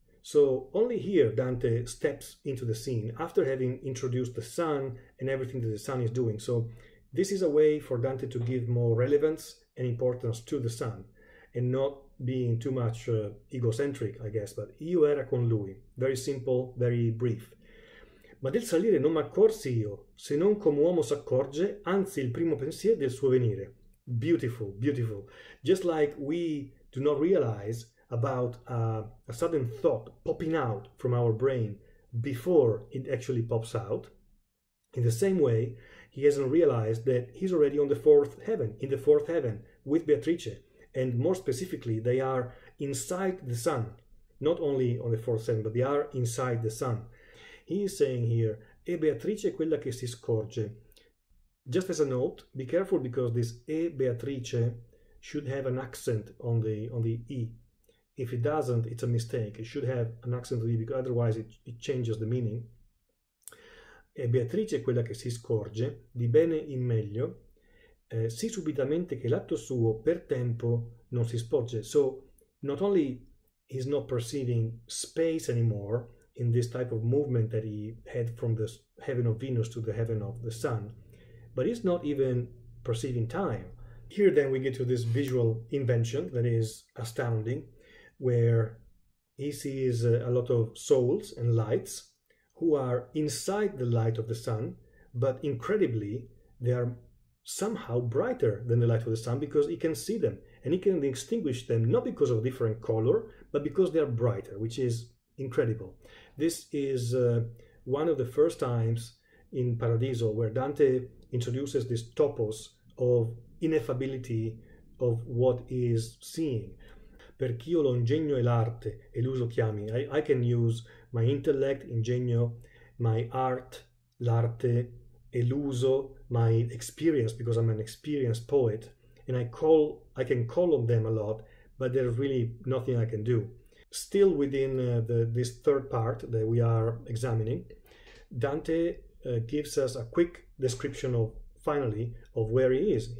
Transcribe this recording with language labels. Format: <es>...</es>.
<en>So only here Dante steps into the scene after having introduced the sun and everything that the sun is doing. So this is a way for Dante to give more relevance and importance to the sun and not being too much egocentric, I guess, but io era con lui. Very simple, very brief.</en> <it>Ma del salire non m'accorsi io, se non come uomo s'accorge, anzi il primo pensier del suo venire.</it> <en>Beautiful, beautiful. Just like we do not realize about a sudden thought popping out from our brain before it actually pops out, in the same way, he hasn't realized that he's already on the fourth heaven, in the fourth heaven, with Beatrice. And more specifically, they are inside the sun, not only on the fourth heaven, but they are inside the sun. He is saying here,</en> <it>"E Beatrice quella che si scorge."</it> <en>Just as a note, be careful, because this</en> <it>"E Beatrice"</it> <en>should have an accent on the E. If it doesn't, it's a mistake. It should have an accent on the E, because otherwise it changes the meaning.</en> <it>"E Beatrice quella che si scorge di bene in meglio, sì subitamente che l'atto suo per tempo non si sporge."</it> <en>So not only is not perceiving space anymore in this type of movement that he had from the heaven of Venus to the heaven of the sun, but he's not even perceiving time. Here then we get to this visual invention that is astounding, where he sees a lot of souls and lights who are inside the light of the sun, but incredibly they are somehow brighter than the light of the sun, because he can see them and he can distinguish them, not because of a different color, but because they are brighter, which is incredible. This is one of the first times in Paradiso where Dante introduces this topos of ineffability of what he is seeing.</en> <it>Per ch'io lo ingegno e l'arte e l'uso chiami.</it> <en>I can use my intellect, ingegno, my art, l'arte,</en> <it>e l'uso,</it> <en>my experience, because I'm an experienced poet, and I can call on them a lot, but there's really nothing I can do. Still within this third part that we are examining, Dante gives us a quick description of, finally, of where he is.</en>